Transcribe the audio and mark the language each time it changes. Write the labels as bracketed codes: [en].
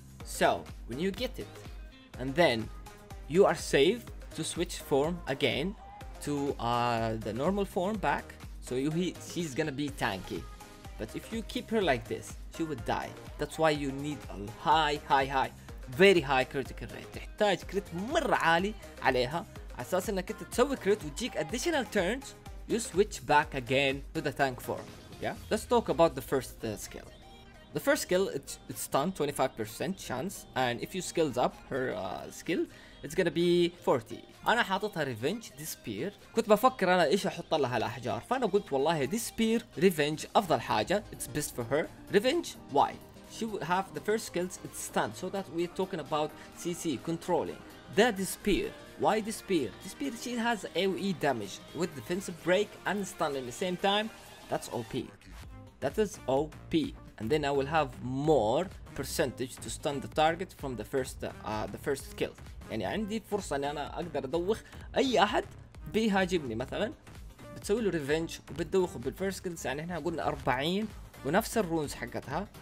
[en] So when you get it, and then you are safe to switch form again to the normal form back, so she's gonna be tanky. But if you keep her like this, she would die. That's why you need a very high critical rate. [ar] تحتاج كريت مرة عالي عليها عساس انك انت تسوي كريت وتجيك [en] additional turns, you switch back again to the tank form. Yeah, let's talk about the first skill. The first skill, it's stun 25% chance, and if you skills up her skill, it's gonna be 40. [ar] انا حاططها ريفنج ديسبير. كنت بفكر انا ايش احط لها الاحجار، فانا قلت والله ديسبير ريفنج افضل حاجه. [en] It's best for her. Revenge, why? She will have the first skills, it's stun, so that we're talking about CC controlling. The disappear. Why disappear? Disappear, she has AoE damage with defensive break and stun in the same time. That's OP. That is OP. And then I will have more percentage to stun the target from the first skill. [ar] يعني عندي فرصة إني أنا أقدر أدوخ أي أحد بيهاجمني مثلا. بتسوي له ريفنج وبتدوخه بالفيرست سكيلز. يعني إحنا قلنا 40 ونفس الرونز حقتها.